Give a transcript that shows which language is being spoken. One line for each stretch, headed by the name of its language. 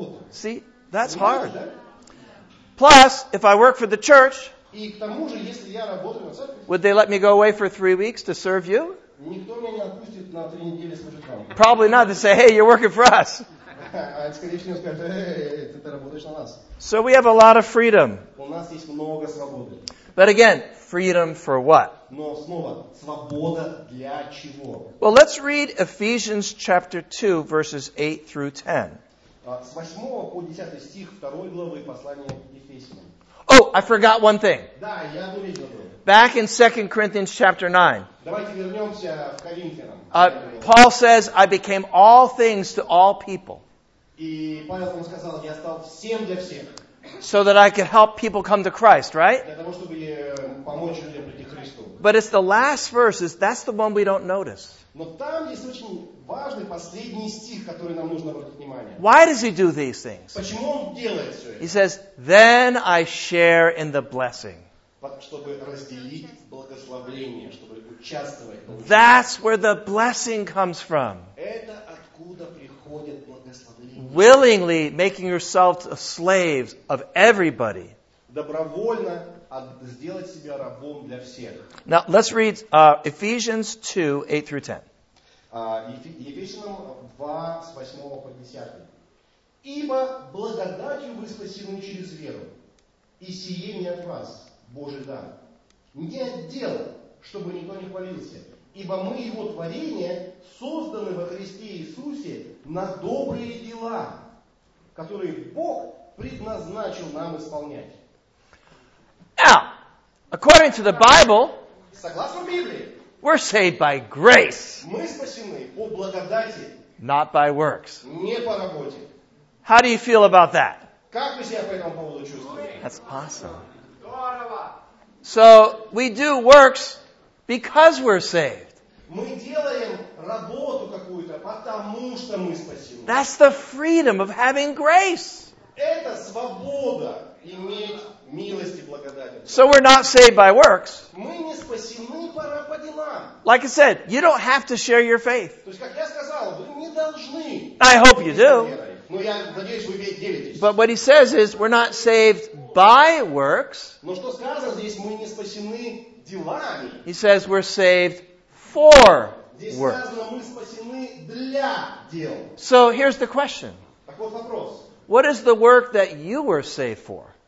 English: See, that's hard. Plus, if I work for the church,
Russian: и к тому же, если я работаю на церкви,
English: would they let me go away for 3 weeks to serve you?
Russian: Никто меня не отпустит на 3 недели служить вам.
English: Probably not. They say, hey, you're working for us.
Russian: Скорее всего, скажут, hey, ты работаешь на нас.
English: So we have a lot of freedom.
Russian: У нас есть много свободы.
English: But again, freedom for what?
Russian: Но снова, свобода для чего?
English: Well, let's read Ephesians chapter 2, verses 8 through 10.
Russian: С 8 по 10 стих 2 главы послания Ефесянам.
English: Oh, I forgot one thing.
Russian: Да, я думаю,
English: back in 2 Corinthians chapter 9.
Russian: Давайте вернемся в Коринфянам.
English: Paul says, I became all things to all people.
Russian: И Павел он сказал, я стал всем для всех.
English: So that I could help people come to Christ, right?
Russian: Для того, чтобы помочь людям прийти к Христу.
English: But it's the last verse, that's the one we don't notice.
Russian: Но там есть очень важный последний стих, который нам нужно обратить внимание.
English: Why does he do these things?
Russian: Почему он делает все это?
English: He says, then I share in the blessing.
Russian: Чтобы разделить благословение, чтобы участвовать.
English: That's where the blessing comes from.
Russian: Это откуда приходит благословение.
English: Willingly making yourself a slave of everybody.
Russian: Добровольно сделать себя рабом для всех.
English: Now, let's read Ephesians 2, 8 through 10.
Russian: Ephesians 2, с 8 по 10. Ибо благодатью вы спасены через веру, и сие не от вас, Божий дар. Не от дела, чтобы никто не хвалился, ибо мы его творение созданы во Христе Иисусе на добрые дела, которые Бог предназначил нам исполнять.
English: Now, according to the Bible,
Russian: согласно Библии,
English: we're saved by grace,
Russian: мы спасены по благодати,
English: not by works.
Russian: Не по работе.
English: How do you feel about that?
Russian: Как вы себя по этому поводу чувствуете?
English: That's awesome.
Russian: Здорово.
English: So, we do works because we're saved.
Russian: Мы делаем работу какую-то, потому что мы спасены.
English: That's the freedom of having grace.
Russian: Это свобода иметь милость и благодать.
English: So we're not saved by works.
Russian: Мы не спасены по делам.
English: Like I said, you don't have to share your faith.
Russian: То есть, как я сказал, вы не должны.
English: I hope you do.
Russian: Но я надеюсь, вы делитесь.
English: But what he says is, we're not saved by works.
Russian: Но что сказано здесь, мы не спасены делами.
English: He says we're saved for
Russian: здесь
English: works.
Russian: Здесь сказано, мы спасены для дел.
English: So here's the question.
Russian: Так вот вопрос.
English: What is the work that you were saved for?